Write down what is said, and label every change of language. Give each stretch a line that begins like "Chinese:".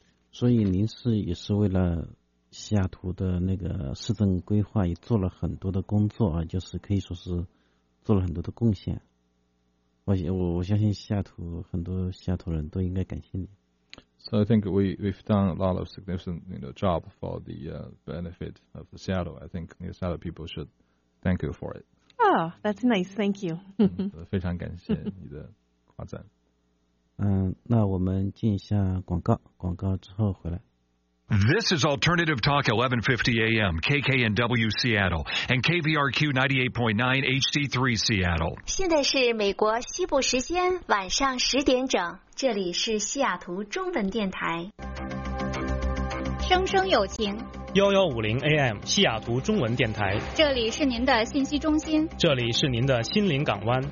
Chinese: 所以您是也是为了西雅图的那个市政规划也做了很多的工作啊，就是可以说是做了很多的贡献。我相信西雅图很多西雅图人都应该感谢你。
English: So I think we've done a lot of significant you know, job for the benefit of the Seattle. I think the Seattle people should thank you for it. Oh, that's nice. Thank you.
Chinese: 非常感谢你的夸赞。那我们进一下广告，广告之后回来。
English: This is Alternative Talk 1150 AM, KKNW Seattle, and KVRQ 98.9 HD3 Seattle.
Chinese: 现在是美国西部时间晚上10点整，这里是西雅图中文电台。声声有情。 1150 AM 西雅图中文电台，这里是您的信息中心，这里是您的心灵港湾，